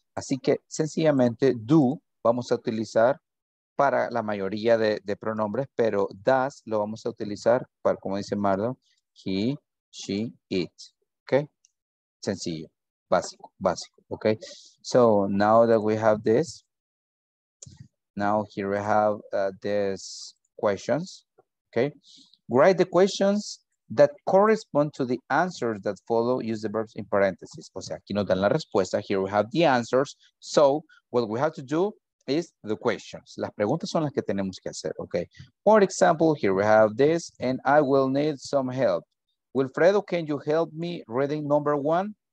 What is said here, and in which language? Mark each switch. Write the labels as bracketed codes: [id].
[es] Así que, sencillamente, do vamos a utilizar para la mayoría de pronombres, pero does lo vamos a utilizar para, como dice Mardo, he, she, it. ¿Ok? Sencillo. Básico, básico. ¿Ok? [en] So, now that we have this, now here we have these questions, okay? Write the questions that correspond to the answers that follow. Use the verbs in parentheses. [es] O sea, aquí nos dan la respuesta. [en] Here we have the answers. So what we have to do is the questions. [es] Las preguntas son las que tenemos que hacer, okay? [en] For example, here we have this, and I will need some help. Wilfredo, can you help me reading number one?